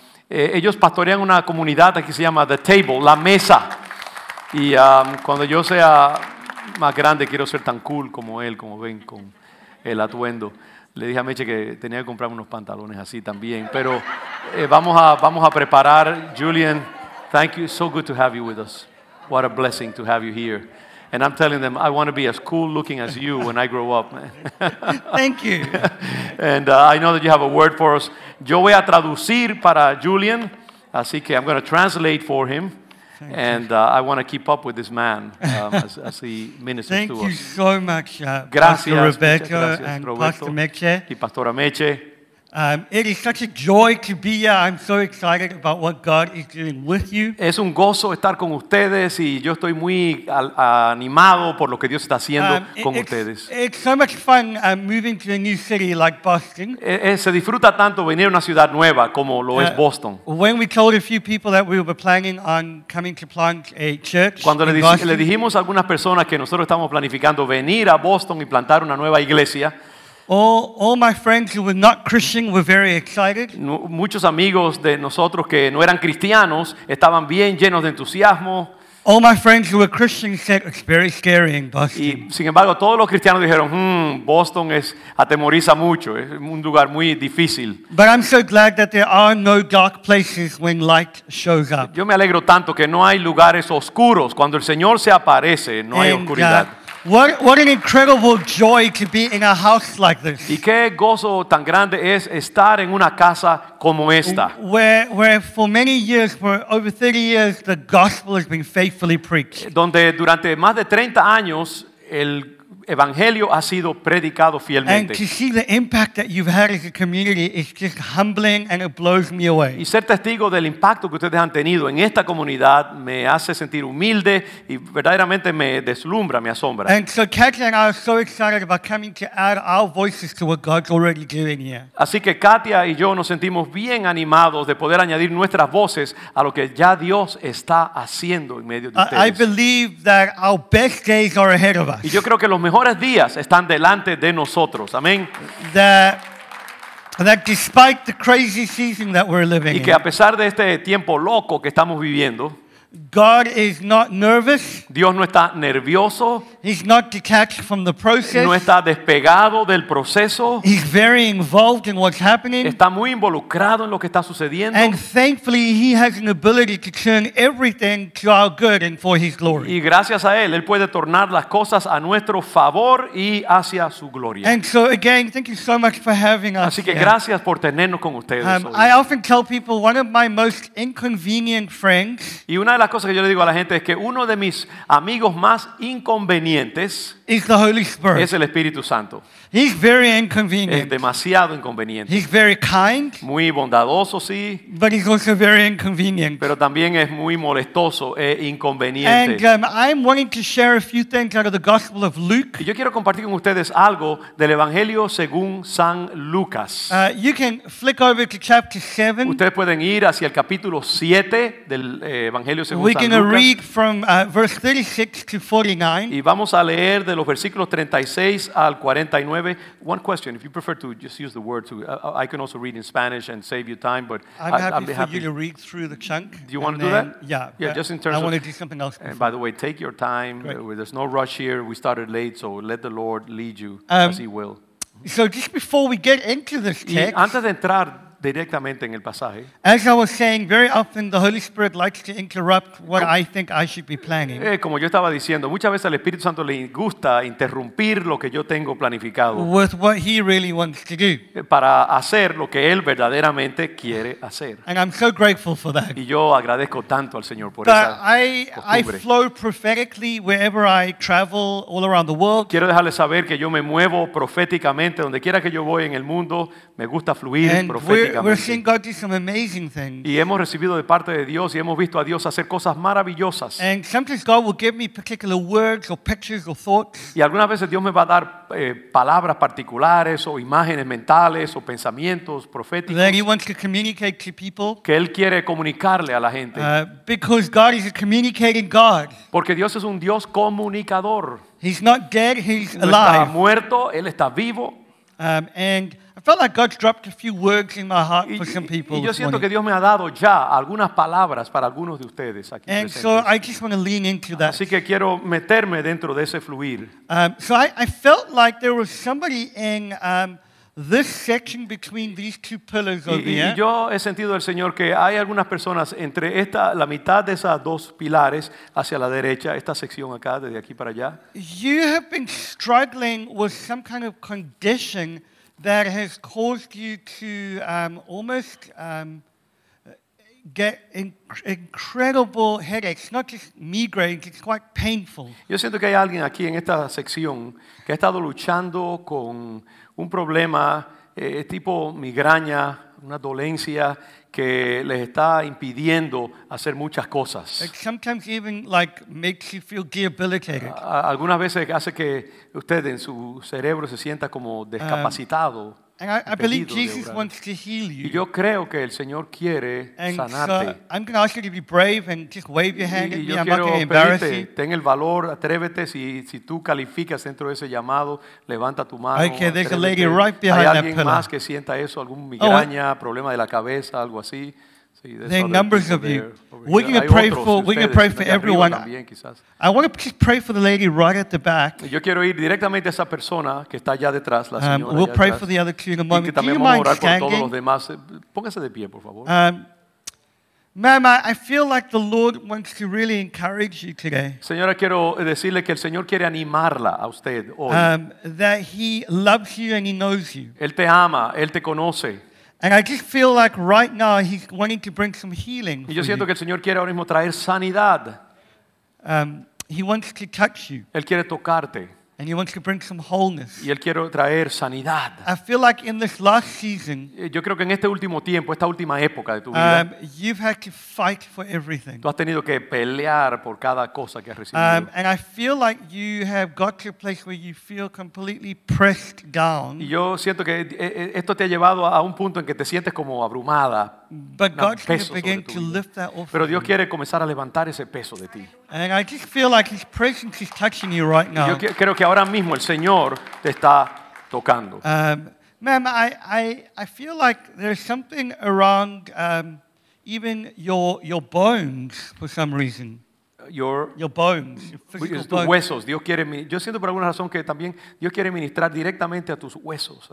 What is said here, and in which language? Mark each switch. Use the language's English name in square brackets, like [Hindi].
[Spanish] Ellos pastorean una comunidad que se llama The Table, La Mesa. Y cuando yo sea más grande, quiero ser tan cool como él, como ven, con el atuendo. Le dije a Meche que tenía que comprarme unos pantalones así también. Pero vamos a preparar. Julian, [English] thank you. So good to have you with us. What a blessing to have you here. And I'm telling them, I want to be as cool looking as you when I grow up, man. Thank you. And I know that you have a word for us. [Spanish] Yo voy a traducir para Julian, así que [English] I'm going to translate for him. I want to keep up with this man as he ministers Thank to us. Thank you so much, gracias, Pastor Rebecca and Pastor Meche. [Spanish] Y Pastora Meche. [English] It is such a joy to be here. I'm so excited about what God is doing with you. [Spanish] Es un gozo estar con ustedes y yo estoy muy animado por lo que Dios está haciendo con ustedes. [English] It's so much fun moving to a new city like Boston. [Spanish] Se disfruta tanto venir a una ciudad nueva como lo es Boston. [English] When we told a few people that we were planning on coming to plant a church [Spanish] Cuando [English] in Boston, [Spanish] le dijimos a algunas personas que nosotros estamos planificando venir a Boston y plantar una nueva iglesia. [English] All my friends who were not Christian were very excited. [Spanish] Muchos amigos de nosotros que no eran cristianos estaban bien llenos de entusiasmo. [English] All my friends who were Christian said it's very scary in Boston. [Spanish] Y sin embargo, todos los cristianos dijeron, Boston es atemoriza mucho, es un lugar muy difícil. [English] But I'm so glad that there are no dark places when light shows up. [Spanish] Yo me alegro tanto que no hay lugares oscuros cuando el Señor se aparece, no hay oscuridad. [English] What an incredible joy to be in a house like this. [Spanish] Y qué gozo tan grande es estar en una casa como esta. [English] Where for many years, for over 30 years, the gospel has been faithfully preached. [Spanish] Donde durante más de 30 años el evangelio ha sido predicado fielmente. [English] And to see the impact that you've had as a community is just humbling and it blows me away. [Spanish] Y ser testigo del impacto que ustedes han tenido en esta comunidad me hace sentir humilde y verdaderamente me deslumbra, me asombra. [English] And so Katia and I are so excited about coming to add our voices to what God's already doing here. [Spanish] Así que Katia y yo nos sentimos bien animados de poder añadir nuestras voces a lo que ya Dios está haciendo en medio de ustedes. [English] I believe that our best days are ahead of us. [Spanish] Y yo creo que los mejores días están delante de nosotros. Amén. [English] That despite the crazy season that we're living [Spanish] y que a pesar de este tiempo loco que estamos viviendo, [English] God is not nervous. [Spanish] Dios no está nervioso. [English] He's not detached from the process. [Spanish] No está despegado del proceso. [English] He's very involved in what's happening. [Spanish] Está muy involucrado en lo que está sucediendo. [English] And thankfully, he has an ability to turn everything to our good and for his glory. [Spanish] Y gracias a él, él puede tornar las cosas a nuestro favor y hacia su gloria. [English] And so again, thank you so much for having us. [Spanish] Así que gracias por tenernos con ustedes hoy. [English] I often tell people one of my most inconvenient friends. [Spanish] Y una de las cosas que yo le digo a la gente es que uno de mis amigos más inconvenientes [English] is the Holy Spirit. [Spanish] Es el Espíritu Santo. [English] He's very inconvenient. [Spanish] Es demasiado inconveniente. [English] He's very kind. [Spanish] Muy bondadoso, sí. [English] But he's also very inconvenient. [Spanish] Pero también es muy molestoso e inconveniente. [English] And I'm wanting to share a few things out of the Gospel of Luke. [Spanish] Y yo quiero compartir con ustedes algo del Evangelio según San Lucas. [English] You can flick over to chapter 7. [Spanish] Ustedes pueden ir hacia el capítulo 7 del Evangelio según [English] We're [Spanish] San Lucas. [English] We're going to read from verse 36 to 49. [Spanish] Y vamos a leer de los versículos 36 al 49. [English] One question, if you prefer to just use the word to, I can also read in Spanish and save you time, but I'd be happy for you to read through the chunk. Do you want to do that? Yeah, just in terms I of, want to do something else. And by the way, take your time. Great. There's no rush here. We started late, so let the Lord lead you as he will. So just before we get into this text. [Spanish] Antes de entrar directamente en el pasaje. [English] As I was saying, very often the Holy Spirit likes to interrupt what I think I should be planning. [Spanish] Como yo estaba diciendo, muchas veces al Espíritu Santo le gusta interrumpir lo que yo tengo planificado. [English] With what he really wants to do. [Spanish] Para hacer lo que él verdaderamente quiere hacer. [English] And I'm so grateful for that. [Spanish] Y yo agradezco tanto al Señor por esa costumbre. [English] I flow prophetically wherever I travel all around the world. [Spanish] Quiero dejarles saber que yo me muevo proféticamente donde quiera que yo voy en el mundo, me gusta fluir proféticamente. [English] We're seeing God do some amazing things. [Spanish] Y hemos recibido de parte de Dios y hemos visto a Dios hacer cosas maravillosas. [English] And sometimes God will give me particular words or pictures or thoughts. [Spanish] Y algunas veces Dios me va a dar palabras particulares o imágenes mentales o pensamientos proféticos. [English] That he wants to communicate to people. [Spanish] Que él quiere comunicarle a la gente. [English] Because God is a communicating God. [Spanish] Porque Dios es un Dios comunicador. [English] He's not dead, he's alive. [Spanish] No está muerto, él está vivo. [English] And I felt like God dropped a few words in my heart for some people. [Spanish] Y yo siento que Dios me ha dado ya algunas palabras para algunos de ustedes aquí presentes. [English] So I just want to lean into that. [Spanish] Así que quiero meterme dentro de ese fluir. [English] So I felt like there was somebody in this section between these two pillars over here. [Spanish] Y yo he sentido el Señor que hay algunas personas entre esta la mitad de esas dos pilares hacia la derecha, esta sección acá desde aquí para allá. [English] You have been struggling with some kind of condition that has caused you to almost get incredible headaches, not just migraines, it's quite painful. [Spanish] Yo siento que hay alguien aquí en esta sección que ha estado luchando con un problema tipo migraña, una dolencia que les está impidiendo hacer muchas cosas. [English] It sometimes even like makes you feel debilitated. [Spanish] Algunas veces hace que usted en su cerebro se sienta como discapacitado. [English] And I believe Jesus wants to heal you. [Spanish] Y yo creo que el Señor quiere sanarte. [English] So I'm going to ask you to be brave and just wave your hand at me. I'm [Spanish] quiero [English] not going to embarrass [Spanish] pedirte, [English] you. [Spanish] Ten el valor, atrévete. Si tú calificas dentro de ese llamado, levanta tu mano. [English] Okay, there's a lady right behind that [Spanish] pillar. Hay alguien [English] that [Spanish] más [English] pillar. [Spanish] Que sienta eso, algún migraña, oh, problema de la cabeza, algo así. [English] Sí, there are numbers of you. We're going to pray for everyone. [Spanish] También, [English] I want to just pray for the lady right at the back. [Spanish] Yo quiero ir directamente a esa persona que está allá detrás, la señora. [English] We'll pray [Spanish] detrás. [English] For the other two in a moment. [Spanish] Y que [English] do you mind [Spanish] orar [English] standing? [Spanish] Por todos los demás. Póngase de pie, por favor. [English] Mama, I feel like the Lord wants to really encourage you today. [Spanish] Señora, quiero decirle que el Señor quiere animarla a usted hoy. [English] That He loves you and He knows you. [Spanish] Él te ama, él te conoce. [English] And I just feel like right now He's wanting to bring some healing. [Spanish] Y yo siento que el Señor quiere ahora mismo traer sanidad. [English] He wants to touch you. [Spanish] Él quiere tocarte. [English] And He wants to bring some wholeness. [Spanish] Y él quiere traer sanidad. [English] I feel like in this last season, [Spanish] yo creo que en este último tiempo, esta última época de tu vida, [English] you've had to fight for everything. [Spanish] Tú has tenido que pelear por cada cosa que has recibido. [English] And I feel like you have got to a place where you feel completely pressed down. [Spanish] Y yo siento que esto te ha llevado a un punto en que te sientes como abrumada. [English] But God's going to begin to lift that off. [Spanish] Pero Dios quiere comenzar a levantar ese peso de ti. [English] And I just feel like His presence is touching you right now. [Spanish] Yo creo que ahora mismo el Señor te está tocando. [English] Ma'am, I feel like there's something around even your bones for some reason. Your bones, your physical bones. [Spanish] Huesos. Dios quiere. Yo siento por alguna razón que también Dios quiere ministrar directamente a tus huesos.